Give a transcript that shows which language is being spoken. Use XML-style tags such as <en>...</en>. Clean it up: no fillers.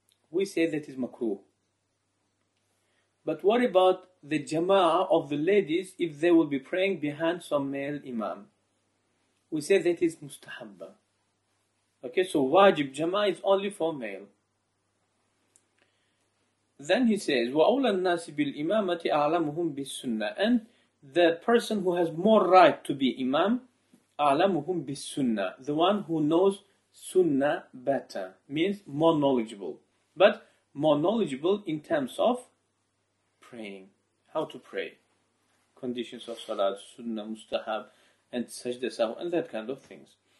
<en>We say that is makruh. But what about the jama'ah of the ladies if they will be praying behind some male imam? We say that is mustahabba. Okay, so wajib jama'ah is only for male. Then he says,</en> <ar>وَأَوْلَى النَّاسِ بِالْإِمَامَةِ أَعْلَمُهُمْ بِالسُّنَّةِ.</ar> <en>And the person who has more right to be imam,</en> <ar>أَعْلَمُهُمْ بِالسُّنَّةِ,</ar> <en>the one who knows sunnah better, means more knowledgeable. But more knowledgeable in terms of praying, how to pray, conditions of salat, sunnah, mustahab, and sajda sahw, and that kind of things.</en>